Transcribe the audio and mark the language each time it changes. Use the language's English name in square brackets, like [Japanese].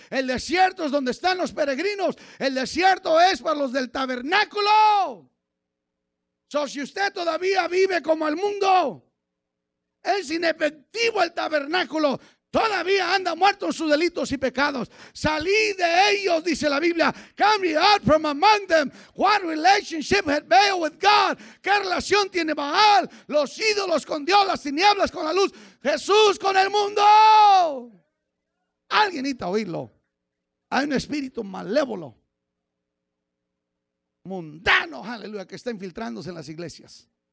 [Spanish] El desierto es donde están los peregrinos. El desierto es para los del tabernáculo. So, si usted todavía vive como el mundo, es inefectivo el tabernáculo. Todavía anda muerto en sus delitos y pecados. Salid de ellos, dice la Biblia. [English] Come ye out from among them. What relationship had Baal with God? [Spanish] ¿Qué relación tiene Baal? Los ídolos con Dios, las tinieblas con la luz. Jesús con el mundo. Alguien necesita oírlo. Hay un espíritu malévolo, mundano, aleluya, que está infiltrándose en las iglesias.